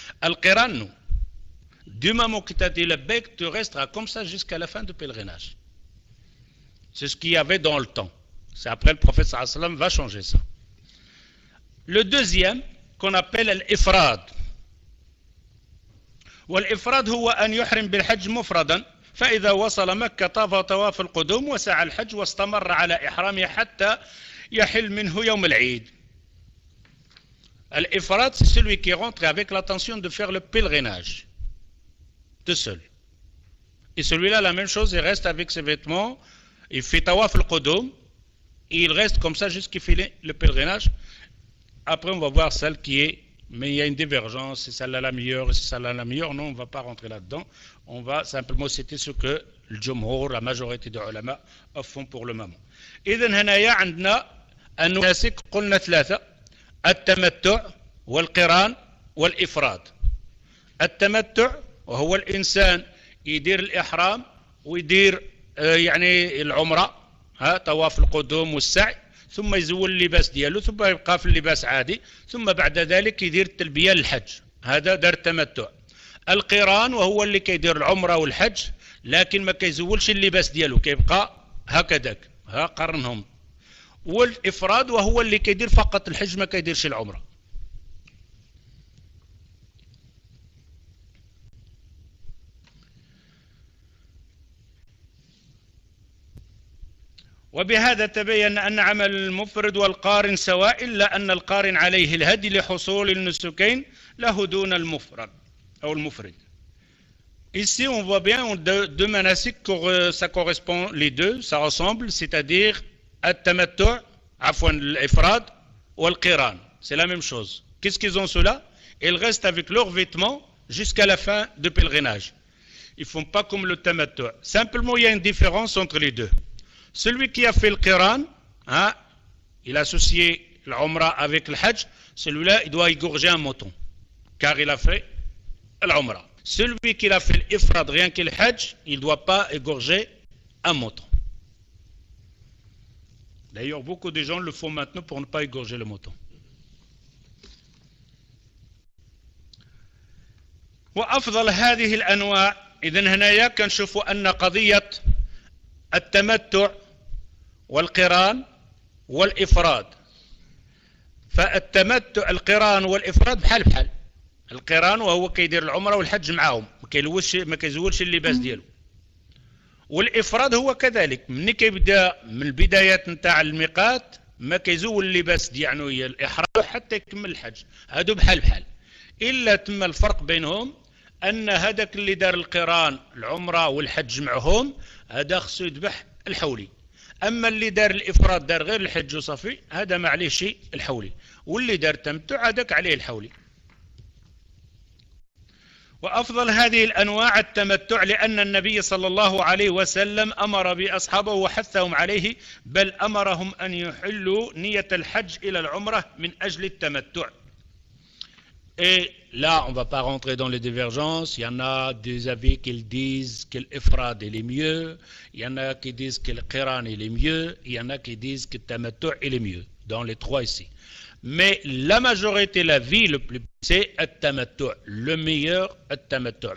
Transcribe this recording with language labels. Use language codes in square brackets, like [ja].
[fr] Al-Qiran, nous, du moment que tu as dit le bec, tu resteras comme ça jusqu'à la fin du pèlerinage. C'est ce qu'il y avait dans le temps. C'est après le prophète [ar] sallallahu alayhi wa sallam [fr] va changer ça. Le deuxième, qu'on appelle l'Ifrad. [ar] والإفراد هو أن يحرم بالحج مفردا فإذا وصل مكة طاف طواف القدوم وسعى الحج واستمر على إحرامه حتى يحل منه يوم العيد. [fr] الإفراد c'est celui qui rentre avec l'intention de faire le pèlerinage tout seul. Et celui-là, la même chose, il reste avec ses vêtements, il fait tawaf al-qudum, et il reste comme ça jusqu'il finit le pèlerinage. Après, on va voir celle qui est, mais il y a une divergence, c'est celle-là la meilleure, c'est celle-là la meilleure. Non, on ne va pas rentrer là-dedans. On va simplement citer ce que le Jumhur, la majorité des ulama, font pour le moment. Et donc, il y a un nous qu'on a trois. Al-Tamattu', Al-Qiran, Al-Ifrad. Al-Tamattu', c'est l'insan, il dit l'Ihram, il dit l'Umra, Tawaf al-Qudum ou Sa'i. [ar] ثم يزول اللباس دياله ثم يبقى في اللباس عادي ثم بعد ذلك يدير التلبية للحج هذا دار التمتع القران وهو اللي كيدير العمرة والحج لكن ما كيزولش اللباس دياله كيبقى هكذاك ها قرنهم والإفراد وهو اللي كيدير فقط الحج ما كيديرش العمرة وبهذا تبين أن عمل المفرد والقارن سواء إلا أن القارن عليه الهدي لحصول النسكين له دون المفرد أو المفرد. [fr] Ici on voit bien deux manasiques, ça correspond les deux, ça ressemble, c'est-à-dire التمتوع, [ar] عفوا [fr] الإفراد والقران, c'est la même chose. Qu'est-ce qu'ils ont cela? Ils restent avec leurs vêtements jusqu'à la fin du pèlerinage. Ils font pas comme le التمتوع. Simplement il y a une différence entre les deux. Celui qui a fait le Qiran, hein, il a associé l'Umra avec le Hajj, celui-là, il doit égorger un mouton, car il a fait l'Umra. Celui qui a fait l'Ifrad, rien que le Hajj, il ne doit pas égorger un mouton. D'ailleurs, beaucoup de gens le font maintenant pour ne pas égorger le mouton. [ar] Wa afdal hadhihi al-anwa', idhan hanaya kanshufu anna qadiyat التمتع والقران والإفراد فالتمتع القران والإفراد بحال بحال القران وهو كيدير العمرة والحج معاهم ما كيزولش اللباس ديالو والإفراد هو كذلك ملي كيبدا من البدايات نتاع الميقات ما كيزول اللباس ديالو الإحرام حتى يكمل الحج هادو بحال بحال إلا تم الفرق بينهم أن هذاك اللي دار القران العمرة والحج معهم هذا خصو يذبح الحولي اما اللي دار الافراد دار غير الحج وصافي هذا ما عليه شيء الحولي، واللي دار تمتع هذاك عليه الحولي. وافضل هذه الانواع التمتع، لان النبي صلى الله عليه وسلم امر باصحابه وحثهم عليه، بل امرهم ان يحلوا نيه الحج الى العمره من اجل التمتع. [fr] Et là, on ne va pas rentrer dans les divergences. Il y en a des avis qui disent que l'Ifrad est le mieux. Il y en a qui disent que le Qiran est le mieux. Il y en a qui disent que le Tamattu' est le mieux. Dans les trois ici. Mais la majorité, la vie le plus, c'est le Tamattu', le meilleur Tamattu'.